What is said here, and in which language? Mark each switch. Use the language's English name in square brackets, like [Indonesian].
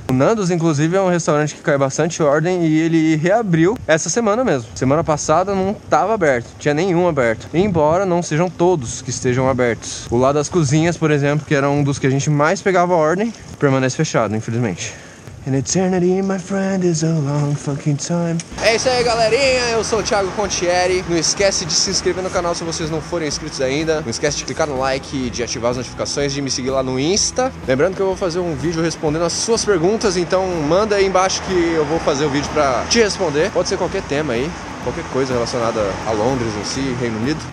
[Portuguese] O Nando's, inclusive, é um restaurante que cai bastante ordem e ele reabriu essa semana mesmo. Semana passada não tava aberto, tinha nenhum aberto. Embora não sejam todos que estejam abertos. O lado das cozinhas, por exemplo, que era um dos que a gente mais pegava ordem, permanece fechado, infelizmente. [English] In eternity, my friend, is a long fucking time. [Portuguese] É isso aí, galerinha. Eu sou o Thiago Contieri. Não esquece de se inscrever no canal se vocês não forem inscritos ainda. Não esquece de clicar no like, de ativar as notificações, de me seguir lá no Insta. Lembrando que eu vou fazer um vídeo respondendo as suas perguntas, então manda aí embaixo que eu vou fazer o vídeo pra te responder. Pode ser qualquer tema aí, qualquer coisa relacionada a Londres em si, Reino Unido.